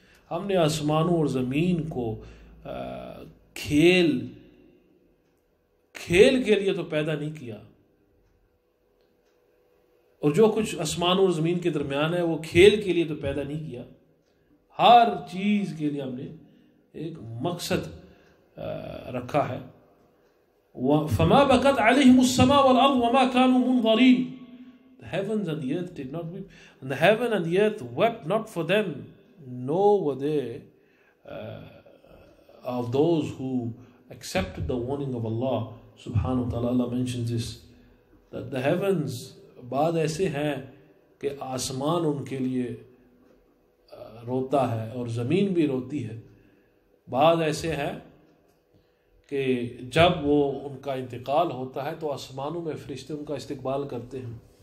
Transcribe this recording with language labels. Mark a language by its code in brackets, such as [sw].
[ur] ہم نے آسمانوں اور زمین کو کھیل کے لیے تو پیدا نہیں کیا، اور جو کچھ آسمان اور زمین کے درمیان ہے وہ کھیل کے لیے تو پیدا نہیں کیا. ہر چیز کے لیے ہم نے ایک مقصد رکھا ہے. [ar] فَمَا بَقَتْ عَلَيْهِمُ السَّمَاءُ وَالْأَرْضُ وَمَا كَانُوا مُنظَرِينَ. [en] The heavens and the earth did not weep, and the heaven and the earth wept not for them, nor were they of those who accepted the warning of Allah. Subhanahu wa ta'ala, Allah mentions this, that the heavens [ur] بعد ایسے ہیں کہ آسمان ان کے لیے روتا ہے اور زمین بھی روتی ہے. بعد ایسے ہیں کہ جب وہ ان کا انتقال ہوتا ہے تو آسمانوں میں فرشتے ان کا استقبال کرتے ہیں.